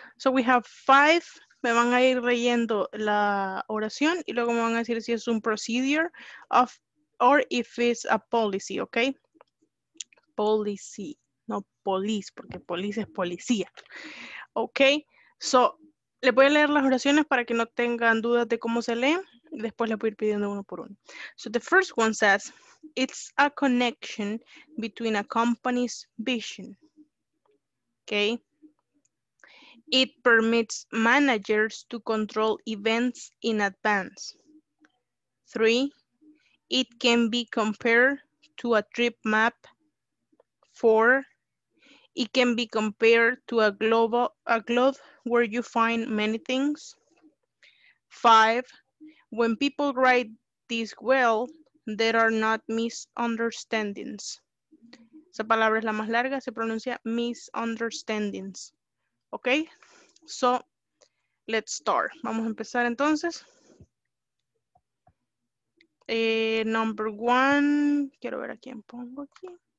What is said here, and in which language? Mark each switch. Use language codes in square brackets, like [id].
[en] So, we have five. [es] Me van a ir leyendo la oración y luego me van a decir si es un [en] procedure of, or if it's a policy, [es] ¿ok? Policy, no police, porque police es policía. ¿Ok? So, les voy a leer las oraciones para que no tengan dudas de cómo se leen. Después les voy a ir pidiendo uno por uno. [en] So, the first one says, it's a connection between a company's vision. Okay. It permits managers to control events in advance. Three, it can be compared to a trip map. Four, it can be compared to a globe where you find many things. Five, when people write this well, there are not misunderstandings. [es] Esa palabra es la más larga, se pronuncia misunderstandings. [en] Ok, so let's start. [es] Vamos a empezar entonces. [en] Number one, [es] quiero ver a quién pongo aquí.